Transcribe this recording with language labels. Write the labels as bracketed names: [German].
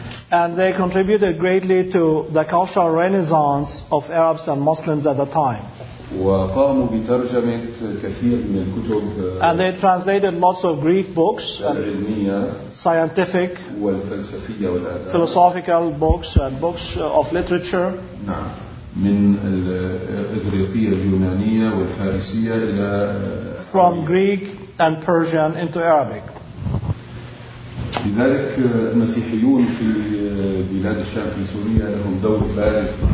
[English] And they contributed greatly to the cultural renaissance of Arabs and Muslims at the time. [Arabic] وقاموا بترجمة كثير من الكتب. [English] And they translated lots of Greek books. [Arabic] العلمية. [English] Scientific. [Arabic] والفلسفية والآداب. [English] Philosophical books and books of literature. [Arabic] نعم. من الإغريقية اليونانية والفارسية إلى. [English] From Greek and Persian into Arabic. [Arabic] لذلك المسيحيون في بلاد الشام في سوريا لهم دور بارز.